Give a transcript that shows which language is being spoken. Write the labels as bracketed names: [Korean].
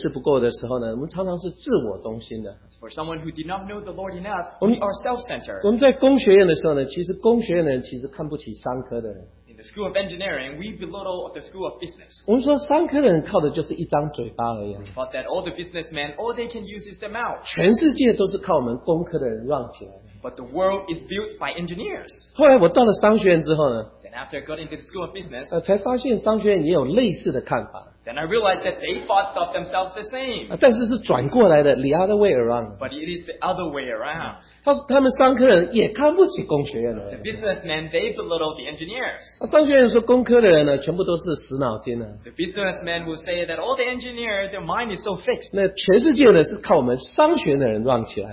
[Chinese] 你知道，我们不认识神或者对神认识不够的时候呢，我们常常是自我中心的。 [English] For someone who did not know the Lord enough, we are self-centered. [Chinese] 我们在工学院的时候呢，其实工学院的人其实看不起商科的人。 [English] The School of Engineering, we belittle the School of Business. [Chinese] 我们说商科的人靠的就是一张嘴巴而已。 [English] But that all the businessmen, all they can use is their mouth. [Chinese] 全世界都是靠我们工科的人让起来。 [English] But the world is built by engineers. [Chinese] 后来我到了商学院之后呢, [English] Then after I got into the School of Business, [Chinese] 才发现商学院也有类似的看法。 [English] Then I realized that they thought of themselves the same. [Chinese] 但是是转过来的, [English] the other way around. But it is the other way around. [Chinese] 他们商科人也看不起工学院的人。 [English] The businessmen, they belittle the engineers. [Chinese] 商学院说工科的人呢，全部都是死脑筋呢。 [English] The businessmen will say that all the engineers, their mind is so fixed. [Chinese] 那全世界呢，是靠我们商学院的人让起来。